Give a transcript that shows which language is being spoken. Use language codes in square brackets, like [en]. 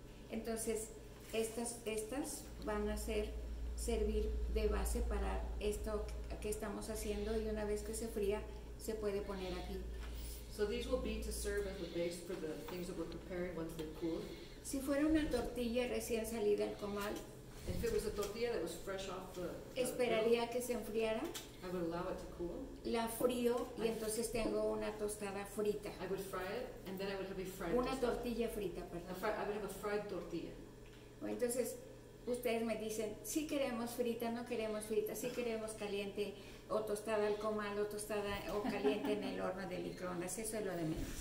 [es] Entonces estas van a servir de base para esto que estamos haciendo y una vez que se fría se puede poner aquí. [en] So these will be to serve as the base for the things that we're preparing once they're cooled. [es] Si fuera una tortilla recién salida del comal, [en] if it was a tortilla that was fresh off the [es] esperaría que se enfriara. [en] I would allow it to cool. [es] La frío y entonces tengo una tostada frita. [en] I would fry it and then I would have a fried [es] una tortilla frita, perdón. [en] I would have a fried tortilla. [es] Bueno, entonces ustedes me dicen, si queremos frita, no queremos frita, si queremos caliente o tostada al comal o tostada o caliente en el horno de microondas, eso es lo de menos.